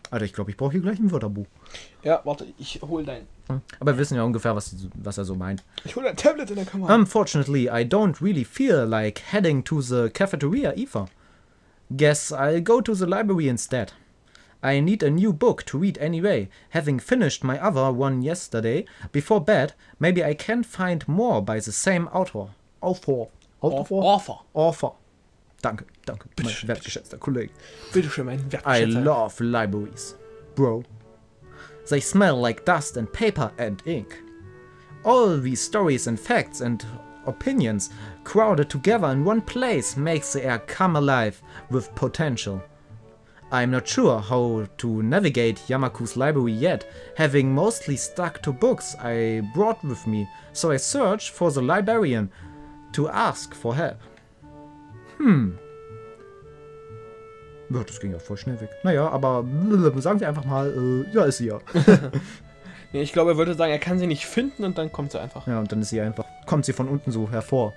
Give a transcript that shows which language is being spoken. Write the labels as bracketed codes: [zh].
[de] Alter, ich glaube, ich brauche hier gleich ein Wörterbuch. Ja, warte, ich hole dein. Aber wir wissen ja ungefähr, was er so meint. Ich hole dein Tablet in der Kamera. [en] Unfortunately, I don't really feel like heading to the cafeteria either. Guess I'll go to the library instead. I need a new book to read anyway. Having finished my other one yesterday, before bed, maybe I can find more by the same author. Author. [de] Danke, danke, bitte mein schön, wertgeschätzter bitte. Kollege. Bitte schön, mein wertgeschätzter [en] Kollege. I love libraries, bro. They smell like dust and paper and ink. All these stories and facts and opinions crowded together in one place makes the air come alive with potential. I'm not sure how to navigate Yamaku's library yet, having mostly stuck to books I brought with me, so I search for the librarian to ask for help. Hm. [de] Ja, das ging ja voll schnell weg. Naja, aber sagen wir einfach mal, ja, ist sie ja. Nee, ich glaube, er würde sagen, er kann sie nicht finden und dann kommt sie einfach. Ja, und dann ist sie einfach, kommt sie von unten so hervor.